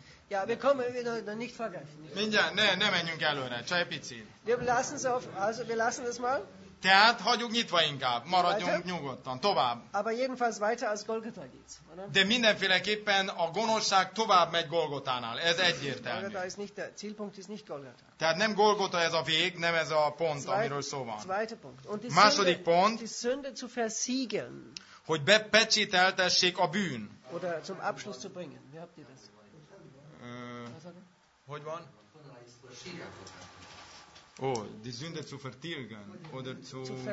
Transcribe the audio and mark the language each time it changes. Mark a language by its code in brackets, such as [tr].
[de] Ja, wir kommen wieder nicht vergessen. [hu] Ja, ne menjünk előre, csak egy picit. [de] Wir lassen das mal. [hu] Tehát hagyjuk nyitva inkább, maradjunk nyugodtan, tovább. [de] Aber jedenfalls weiter als Golgota geht's, oder? [hu] De mindenféleképpen a gonoszság tovább megy Golgotánál, ez egyértelmű. [de] Golgota ist nicht der Zielpunkt, ist nicht Golgota. [hu] Tehát nem Golgota ez a vég, nem ez a pont, amiről szó van. [de] Zweiter Punkt. Und die [hu] második [de] Sünde, [hu] pont, [de] die Sünde zu versiegeln. [hu] Hogy bepecsételtessék a bűn. [de] Oder zum Abschluss zu bringen. Wie habt ihr das? [hu] Hogy van? [de] Oh, die Sünde zu vertilgen oder zu